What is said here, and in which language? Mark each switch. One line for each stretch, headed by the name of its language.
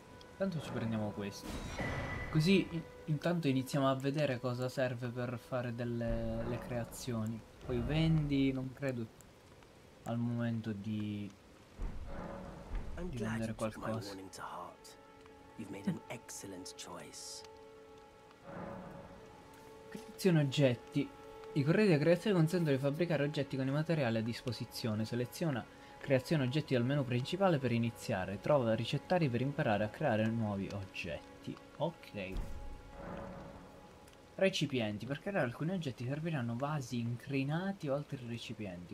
Italian: Intanto ci prendiamo questo. Così intanto iniziamo a vedere cosa serve per fare le creazioni. Poi vendi, non credo al momento di vendere qualcosa.
English: You've made an excellent choice.
Italian: Creazione oggetti. I corredi a creazione consentono di fabbricare oggetti con i materiali a disposizione. Seleziona creazione oggetti dal menu principale per iniziare. Trova ricettari per imparare a creare nuovi oggetti. Ok. Recipienti, per creare alcuni oggetti serviranno vasi incrinati o altri recipienti.